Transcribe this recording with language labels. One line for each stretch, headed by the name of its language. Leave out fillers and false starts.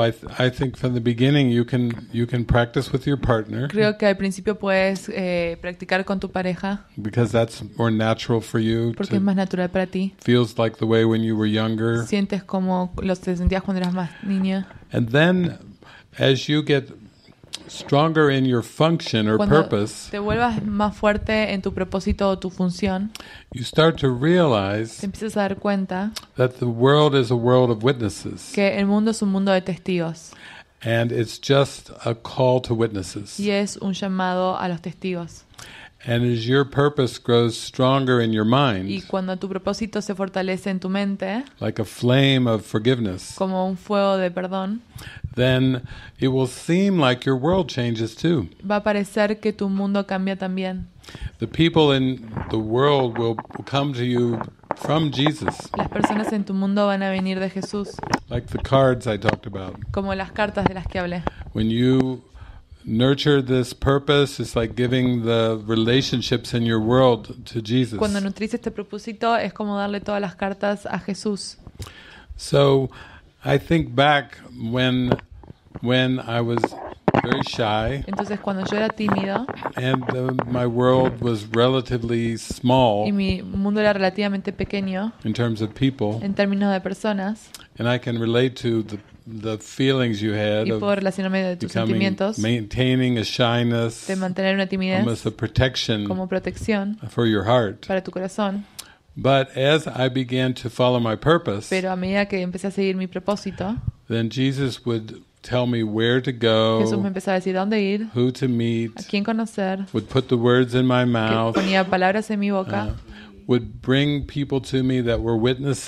English: I think from the beginning you can practice with your partner.
Spanish: Creo que al principio puedes practicar con tu pareja.
English: Because that's more natural for you.
Spanish: Porque es más natural para ti.
English: Feels like the way when you were younger.
Spanish: Sientes como lo te sentías cuando eras más niña.
English: And then, as you get stronger in your function or
Spanish: cuando
English: purpose,
Spanish: te vuelvas más fuerte en tu propósito o tu función,
English: you start to realize
Spanish: te empiezas a dar cuenta
English: that the world is a world of witnesses.
Spanish: Que el mundo es un mundo de testigos.
English: And it's just a call to witnesses.
Spanish: Y es un llamado a los testigos.
English: And as your purpose grows stronger in your mind,
Spanish: y cuando tu propósito se fortalece en tu mente,
English: like a flame of forgiveness,
Spanish: como un fuego de perdón,
English: then it will seem like your world changes too.
Spanish: Va a parecer que tu mundo cambia también.
English: The people in the world will come to you from Jesus.
Spanish: Las personas en tu mundo van a venir de Jesús.
English: Like the cards I talked about.
Spanish: Como las cartas de las que hablé.
English: When you nurture this purpose, it's like giving the relationships in your world to Jesus.
Spanish: Cuando nutrís este propósito, es como darle todas las cartas a Jesús.
English: So, I think back when I was very shy.
Spanish: Entonces, cuando yo era tímido,
English: and my world was relatively small.
Spanish: Y mi mundo era relativamente pequeño.
English: In terms of people.
Spanish: En términos de personas.
English: And I can relate to the feelings you had
Spanish: y puedo relacionarme de tus
English: becoming,
Spanish: sentimientos,
English: maintaining a shyness,
Spanish: de mantener una timidez,
English: almost a protection
Spanish: como protección
English: for your heart.
Spanish: Para tu corazón.
English: But as I began to follow my purpose,
Spanish: pero a medida que empecé a seguir mi propósito,
English: then Jesus would tell me where to go,
Spanish: Jesús me empezaba a decir dónde ir,
English: who to meet,
Spanish: a quién conocer,
English: would put the words in my mouth,
Spanish: que ponía palabras en mi boca,
English: would bring people to me that were witnesses,